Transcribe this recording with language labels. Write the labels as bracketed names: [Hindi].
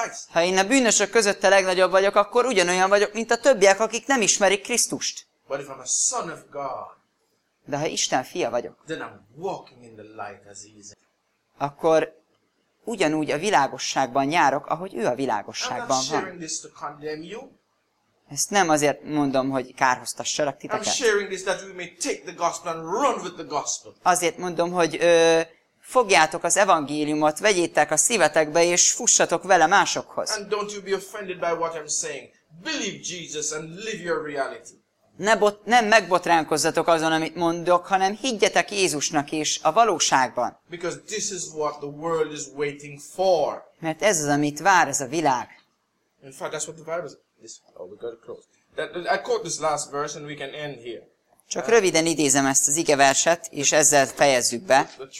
[Hungarian] Ha én a bűnösök között a legnagyobb vagyok, akkor ugyanolyan vagyok, mint a többiek, akik nem ismerik Krisztust. [English] But if I'm a son of God, [Hungarian] de ha Isten fia vagyok, [English] then I'm walking in the light as he is. [Hungarian] Akkor ugyanúgy a világosságban járok, ahogy ő a világosságban van. [English] I'm not sharing this to condemn you. [Hungarian] Ezt nem azért mondom, hogy kárhoztassalak titeket. [English] I'm sharing this that we may take the gospel and run with the gospel. [Hungarian] Azért mondom, hogy fogjátok az evangéliumot, vegyétek a szívetekbe, és fussatok vele másokhoz. [English] And don't you be offended by what I'm saying. Believe Jesus and live your reality. [Hungarian] Nem megbotránkozzatok azon, amit mondok, hanem higgyetek Jézusnak is a valóságban. [English] Because this is what the world is waiting for. [Hungarian] Mert ez az, amit vár ez a világ. [English] In fact, that's what the Bible is. Oh, we got it close. I quote this last verse and we can end here. [Hungarian] Csak röviden idézem ezt az igeverset, és ezzel fejezzük be.